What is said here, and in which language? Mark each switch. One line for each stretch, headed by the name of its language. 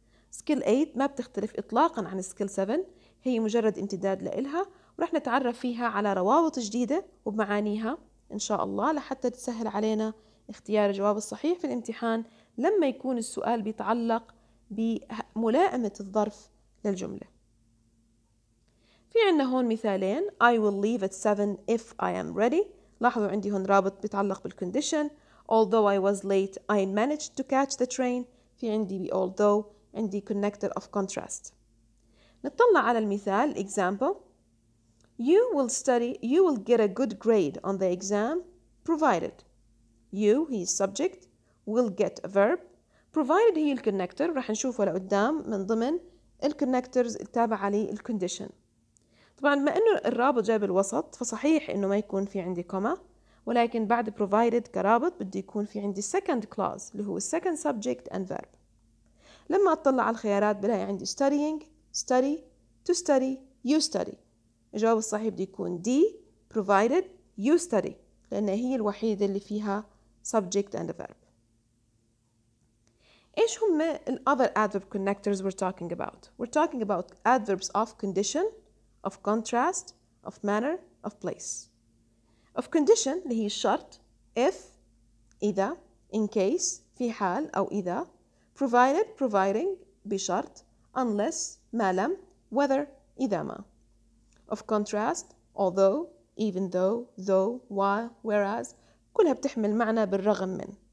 Arabic: سكيل 8 ما بتختلف إطلاقا عن سكيل 7، هي مجرد امتداد لإلها، ورح نتعرف فيها على روابط جديدة وبمعانيها إن شاء الله، لحتى تسهل علينا اختيار الجواب الصحيح في الامتحان لما يكون السؤال بيتعلق بملائمة الظرف للجملة. في عنا هون مثالين،
English: I will leave at 7 if I am ready.
Arabic: لاحظوا عندي هون رابط بيتعلق بالcondition.
English: Although I was late, I managed to catch the train.
Arabic: في عندي be although، عندي
English: connector of contrast.
Arabic: نطلع على المثال example.
English: You will get a good grade on the exam provided. You,
Arabic: هي
English: subject, will get a verb.
Arabic: Provided هي الconnector، راح نشوفه لقدام من ضمن الconnectors التابعة للcondition. طبعا ما انه الرابط جاي بالوسط فصحيح انه ما يكون في عندي كوما، ولكن بعد provided كرابط بدي يكون في عندي second clause اللي هو
English: second subject and verb.
Arabic: لما اطلع على الخيارات بلاقي عندي studying, study, to study, you study. الجواب الصحيح بدي يكون D
English: provided you study،
Arabic: لان هي الوحيدة اللي فيها
English: subject and verb.
Arabic: ايش هم ال
English: other adverb connectors we're talking about؟ We're talking about adverbs of condition, of contrast, of manner, of place. Of condition
Arabic: اللي هي الشرط، if إذا، in case في حال أو إذا، provided providing بشرط، unless ما لم، whether إذا ما.
English: Of contrast although, even though while, whereas،
Arabic: كلها بتحمل معنى بالرغم من.